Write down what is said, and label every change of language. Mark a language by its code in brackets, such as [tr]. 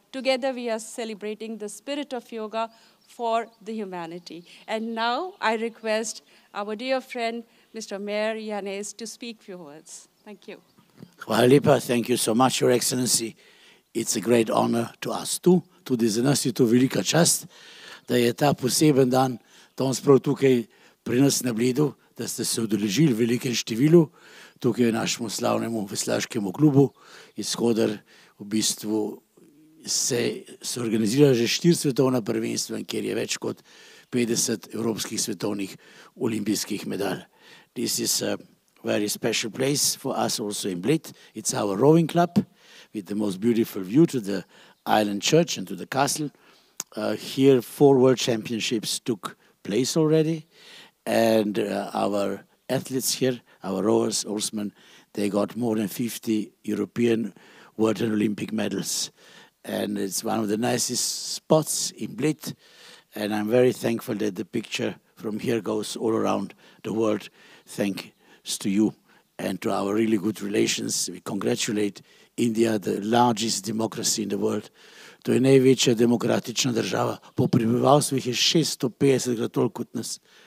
[en] Together we are celebrating the spirit of yoga for the humanity. And now I request our dear friend, Mr. Mayor Yanez, to speak few words. Thank you. [sl] Hvala lepa, [en] thank you so much, Your Excellency. It's a great honor to us too. [sl] Tudi za nas je to velika čast, da je ta poseben dan danes prav tukaj pri nas na Bledu, da ste se udeležili v velikem številu tukaj v našemu slavnemu veslaškemu klubu, iz koder v bistvu se organizira že 4 svetovna prvenstva, kjer je več kot 50 evropskih svetovnih olimpijskih medalj. [en] This is a very special place for us also in Bled. It's our rowing club with the most beautiful view to the island church and to the castle. Here 4 world championships took place already, and our athletes here, our rowers, oarsmen, they got more than 50 European world and Olympic medals. And it's one of the nicest spots in Bled. And I'm very thankful that the picture from here goes all around the world. Thanks to you and to our really good relations. We congratulate India, the largest democracy in the world. [sl] To je največja demokratična država. Po prebivalstvu jih je 650-krat toliko kot nas.